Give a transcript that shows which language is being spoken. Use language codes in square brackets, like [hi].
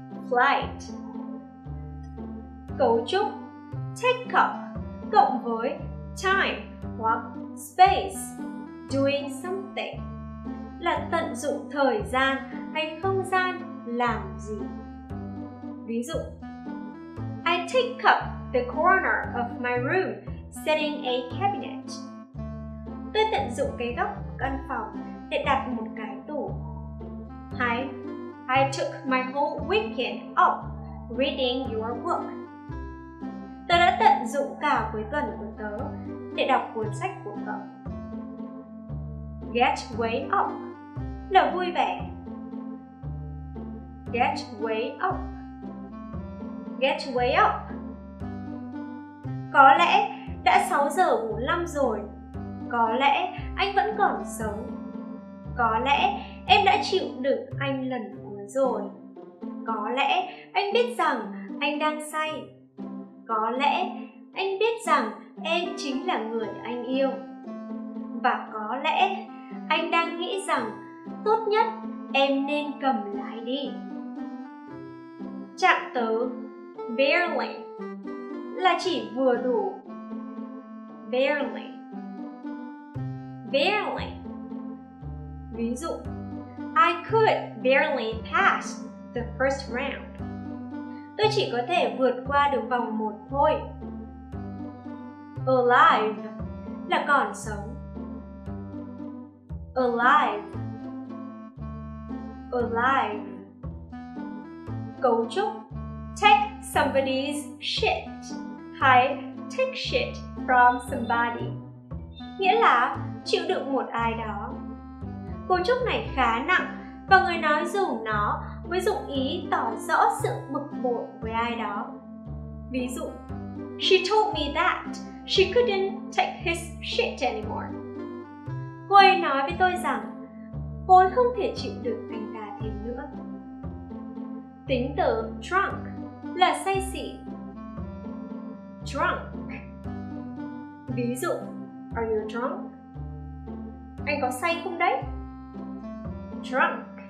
[vi] Flight. Cấu trúc [en] take off [vi] cộng với time hoặc space. [en] Doing something [vi] là tận dụng thời gian hay không gian làm gì. Ví dụ, [en] I take up the corner of my room setting a cabinet. [vi] Tôi tận dụng cái góc của căn phòng để đặt một cái tủ. [en] I took my whole weekend off reading your book. [vi] Tôi đã tận dụng cả cuối tuần của tớ để đọc cuốn sách của cậu. [en] Get way up [vi] là vui vẻ. [en] Get way up. Get way up. [vi] Có lẽ đã 6 giờ 45 rồi. Có lẽ anh vẫn còn sống. Có lẽ em đã chịu đựng anh lần cuối rồi. Có lẽ anh biết rằng anh đang say. Có lẽ anh biết rằng em chính là người anh yêu. Và có lẽ anh đang nghĩ rằng tốt nhất em nên cầm lái đi. Trạng tớ barely là chỉ vừa đủ. [en] Barely. Barely. [vi] Ví dụ, [en] I could barely pass the first round. [vi] Tôi chỉ có thể vượt qua được vòng 1 thôi. Alive là còn sống. Alive. Alive. Cấu trúc [en] take somebody's shit [vi] hay [en] take shit from somebody, [vi] nghĩa là chịu đựng một ai đó. Cấu trúc này khá nặng và người nói dùng nó với dụng ý tỏ rõ sự bực bội với ai đó. Ví dụ, [en] she told me that she couldn't take his shit anymore. [vi] Cô ấy nói với tôi rằng cô ấy không thể chịu đựng anh ta thêm nữa. Tính từ drunk là say xỉn. Drunk. Ví dụ, [en] are you drunk? [vi] Anh có say không đấy? Drunk.